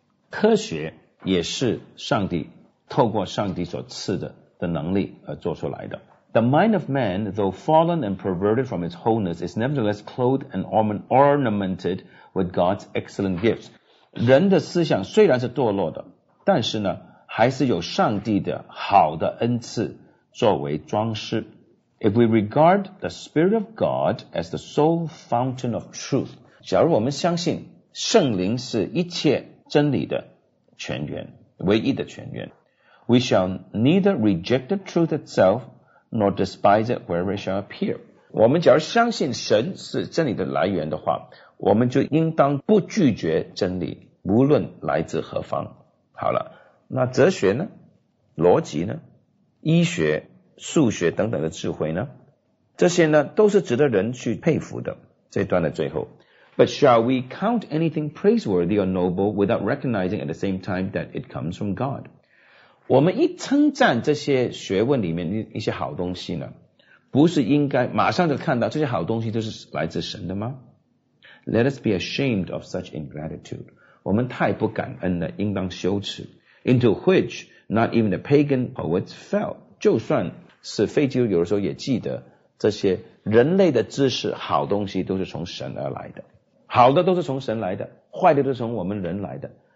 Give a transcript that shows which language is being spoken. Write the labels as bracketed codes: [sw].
[zh] 科学也是上帝透过上帝所赐的能力而做出来的 [en] The mind of man, though fallen and perverted from its wholeness, is nevertheless clothed and ornamented with God's excellent gifts. [zh] 人的思想虽然是堕落的，但是呢，还是有上帝的好的恩赐作为装饰。 [en] If we regard the Spirit of God as the sole fountain of truth, [zh] 假如我们相信圣灵是一切真理的泉源，唯一的泉源， [en] we shall neither reject the truth itself,nor despise it wherever it shall appear [zh] 我们假如相信神是真理的来源的话我们就应当不拒绝真理无论来自何方好了那哲学呢逻辑呢医学数学等等的智慧呢这些呢都是值得人去佩服的这段的最后 [en] But shall we count anything praiseworthy or noble without recognizing at the same time that it comes from God? [zh] 我们一称赞这些学问里面一些好东西呢不是应该马上就看到这些好东西都是来自神的吗 [en] Let us be ashamed of such ingratitude [zh] 我们太不感恩了应当羞耻 [en] Into which not even the pagan poets fell [zh] 就算是非基督有的时候也记得这些人类的知识好东西都是从神而来的好的都是从神来的坏的都是从我们人来的